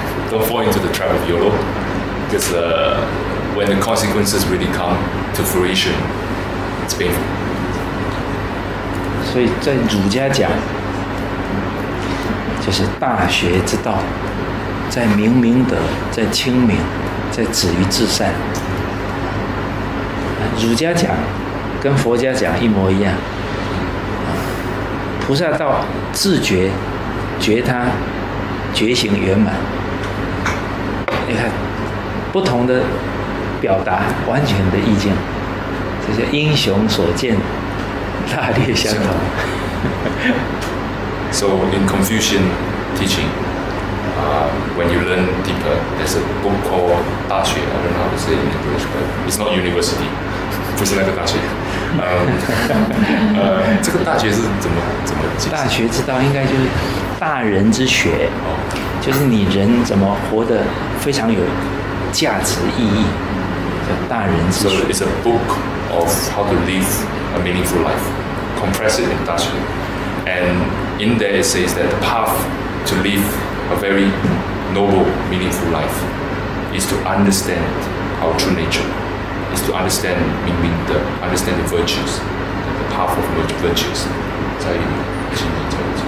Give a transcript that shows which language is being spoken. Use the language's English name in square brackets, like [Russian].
[English] Don't fall into the trap of YOLO, because when the consequences really come to fruition, it's painful. [Chinese] 所以在儒家讲，就是大学之道，在明明德，在亲民，在止于至善。儒家讲跟佛家讲一模一样。菩萨道自觉。觉他觉醒圆满，你看不同的表达，完全的意境，这些英雄所见大略相同。 [English] So in Confucian teaching, when you learn deeper, there's a book called 大学 I don't know how to say in English, but it's not university. [Chinese] 不是那个大学。这个大学是怎么解释？大学之道应该就是。大人之学，就是你人怎么活得非常有价值意义，叫大人之学。 [English] So it's a book of how to live a meaningful life, compressed in 大学。 And in there it says that the path to live a very noble, meaningful life is to understand our true nature, is to understand 明明德 understand the virtues, the path of virtues [Chinese] 在于心里头。